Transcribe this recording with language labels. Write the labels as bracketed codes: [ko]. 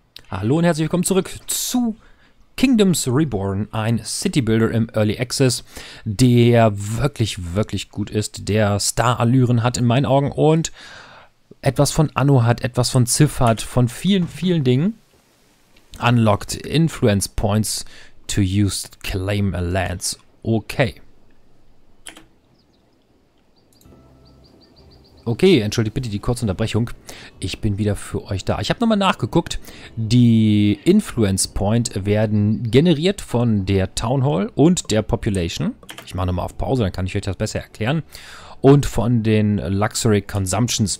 [de] Hallo und herzlich willkommen zurück zu Kingdoms Reborn, ein City Builder im Early Access, der wirklich, wirklich gut ist, der Star-Allüren hat in meinen Augen und etwas von Anno hat, etwas von Civ hat, von vielen, vielen Dingen. [en] Unlocked Influence Points to use Claim a Lands. Okay. [de] Okay, entschuldigt bitte die kurze Unterbrechung. Ich bin wieder für euch da. Ich habe nochmal nachgeguckt. Die Influence Point werden generiert von der Town Hall und der Population. Ich mache nochmal auf Pause, dann kann ich euch das besser erklären. Und von den Luxury Consumptions.